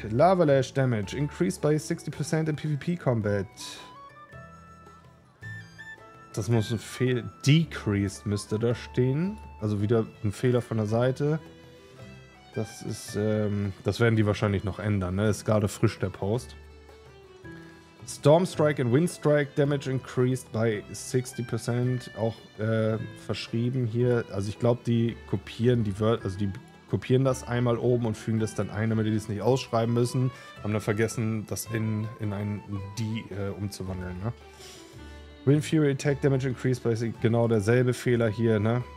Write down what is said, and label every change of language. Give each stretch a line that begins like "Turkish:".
English: Lava Lash Damage. Increased by 60% in PvP Combat.
German: Das muss ein Fehler. Decreased müsste da stehen. Also wieder ein Fehler von der Seite. Das ist, das werden die wahrscheinlich noch ändern, ne? Ist gerade frisch, der Post.
English: Storm Strike and Wind Strike Damage increased by 60%.
German: Auch verschrieben hier. Also ich glaube, die kopieren die Wörter, also die kopieren das einmal oben und fügen das dann ein, damit die das nicht ausschreiben müssen. Haben dann vergessen, das in ein D umzuwandeln, ne?
English: Wind Fury Attack Damage increased by,
German: genau derselbe Fehler hier, ne?